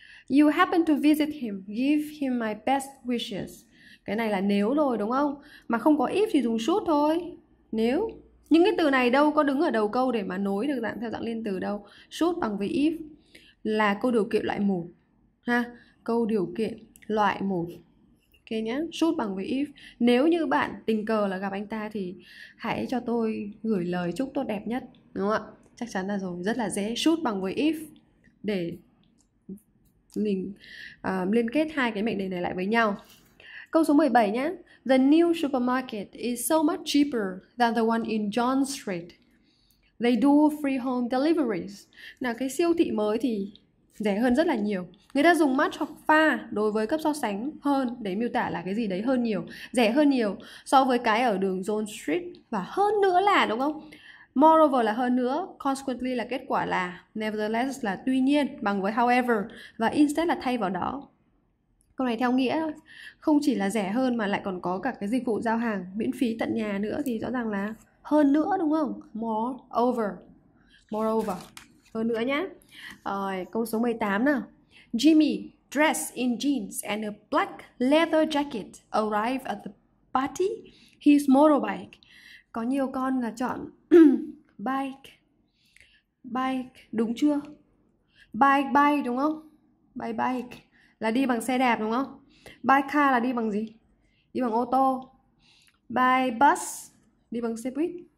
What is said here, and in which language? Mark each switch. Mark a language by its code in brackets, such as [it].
[en] You happen to visit him, give him my best wishes. [vi] Cái này là nếu rồi đúng không? Mà không có if thì dùng should thôi. Nếu. Những cái từ này đâu có đứng ở đầu câu để mà nối được dạng theo dạng liên từ đâu. Should bằng với if là câu điều kiện loại 1. Ha, câu điều kiện loại 1. Ok nhé, should bằng với if. Nếu như bạn tình cờ là gặp anh ta thì hãy cho tôi gửi lời chúc tốt đẹp nhất, đúng không ạ? Chắc chắn là rồi, rất là dễ. Should bằng với if để mình liên kết hai cái mệnh đề này lại với nhau. Câu số 17 nhé. [en] The new supermarket is so much cheaper than the one in John Street. They do free home deliveries. [vi] Nào, cái siêu thị mới thì rẻ hơn rất là nhiều. Người ta dùng much hoặc far đối với cấp so sánh hơn để miêu tả là cái gì đấy hơn nhiều, rẻ hơn nhiều so với cái ở đường John Street. Và hơn nữa là, đúng không? Moreover là hơn nữa, consequently là kết quả, là nevertheless là tuy nhiên, bằng với however, và instead là thay vào đó. Câu này theo nghĩa không chỉ là rẻ hơn mà lại còn có cả cái dịch vụ giao hàng miễn phí tận nhà nữa, thì rõ ràng là hơn nữa, đúng không? Moreover. Moreover. Hơn nữa nhá. Rồi, câu số 18 nào. [en] Jimmy dressed in jeans and a black leather jacket arrive at the party. His motorbike. [vi] Có nhiều con là chọn bike. Bike, đúng chưa? Bike, bike, đúng không? Bike, bike là đi bằng xe đạp, đúng không? Bike car là đi bằng gì? Đi bằng ô tô. Bike bus, đi bằng xe buýt.